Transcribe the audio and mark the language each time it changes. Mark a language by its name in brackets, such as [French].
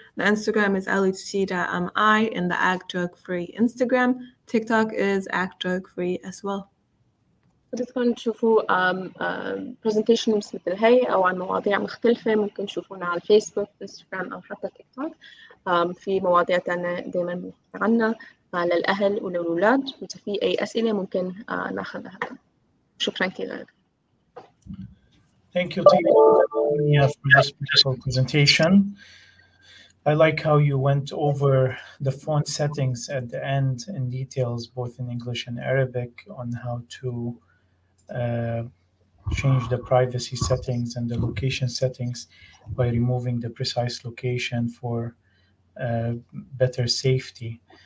[English] The Instagram is LHC.MI, and the @drug_free Instagram. TikTok is @drug_free as well. [Arabic] بس كن تشوفوا presentation مثل هاي أو عن مواضيع مختلفة، ممكن تشوفونا على الفيسبوك، إنستغرام أو حتى تيك توك. في مواضيع تانية دائما بنحكي عنها للأهل وللأولاد، وإذا في أي أسئلة ممكن ناخذها. شكرا كثير. [English] Thank you, Tina, for this beautiful presentation. I like how you went over the phone settings at the end in details, both in English and Arabic, on how to change the privacy settings and the location settings by removing the precise location for better safety.